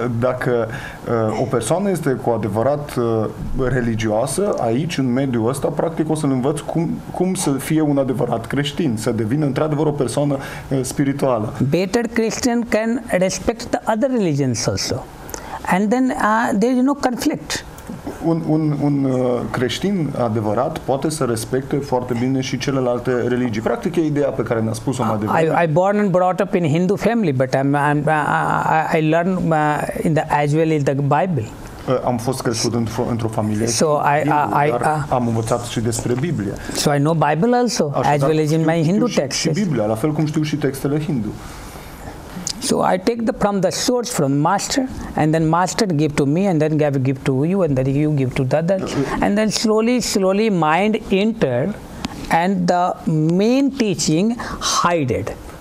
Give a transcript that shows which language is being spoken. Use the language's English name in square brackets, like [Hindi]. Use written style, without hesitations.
[Romanian] Dacă o persoană este cu adevărat religioasă, aici, în mediul ăsta, practic o să-l învăț cum să fie un adevărat creștin, să devină într-adevăr o persoană spirituală. [English] Better Christian can respect the other religions also. And then there is no conflict. [Romanian] Un creștin adevărat poate să respecte foarte bine și celelalte religii. Practic e ideea pe care ne-a spus-o mai devreme. [English] I born and brought up in Hindu family, but I learn in the as well as the Bible. [Romanian] Am fost crescut într-o familie. [English] So [Romanian] am învățat și despre Biblie. [English] So I know Bible also, as well as in my Hindu texts. [Romanian] Și Biblia, la fel cum știu și textele hindu. [English] So I take the from the source from master and then master give to me and then give to you and then you give to the other and then slowly mind enter and the main teaching hided.